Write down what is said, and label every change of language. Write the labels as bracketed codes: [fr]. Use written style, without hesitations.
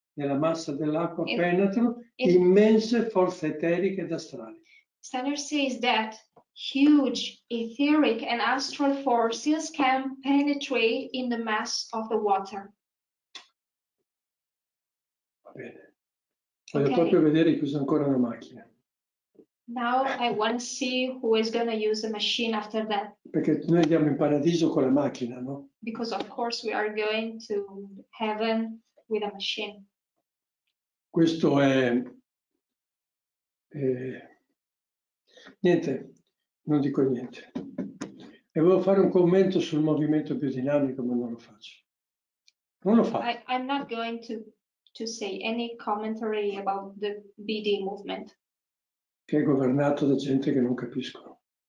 [it] Nella massa dell'acqua penetrano immense forze eteriche ed astrali. [en] Steiner says that huge etheric and astral forces can penetrate in the mass of the water. [it] Va bene. Voglio okay. Proprio vedere chi usa ancora una macchina. [en] Now I want to see who is going to use a machine after that. [it] Perché noi andiamo in paradiso con la macchina, no? [en] Because of course we are going to heaven with a machine. [it] Questo è niente, non dico niente. E volevo fare un commento sul movimento biodinamico, ma non lo faccio. Non lo faccio. [en] I'm not going to say any commentary about the BD movement. [it] Che è governato da gente che non capisco.